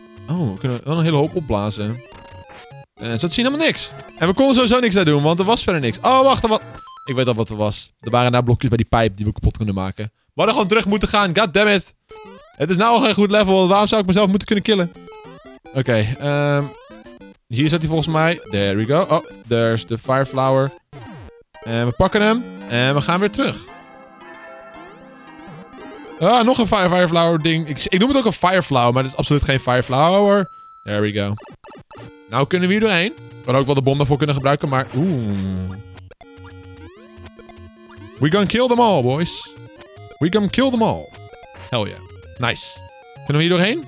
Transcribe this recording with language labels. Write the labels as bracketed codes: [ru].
[nl] Oh, we kunnen wel een hele hoop opblazen. Zo te zien helemaal niks. En we konden sowieso niks daar doen, want er was verder niks. Oh, wacht, wat? Ik weet al wat er was. Er waren daar blokjes bij die pijp die we kapot konden maken. We hadden gewoon terug moeten gaan. God damn it. Het is nou al geen goed level. Waarom zou ik mezelf moeten kunnen killen? Oké. Hier zat hij volgens mij. [en] There we go. Oh, there's the fire flower. [nl] En we pakken hem. En we gaan weer terug. Ah, nog een fire flower ding. Ik noem het ook een fire flower, maar het is absoluut geen fire flower. [en] There we go. [nl] Nou kunnen we hier doorheen. We kunnen ook wel de bom daarvoor kunnen gebruiken, maar... Oeh. [en] We gonna kill them all, boys. We gonna kill them all. Hell yeah. Nice. [nl] Kunnen we hier doorheen?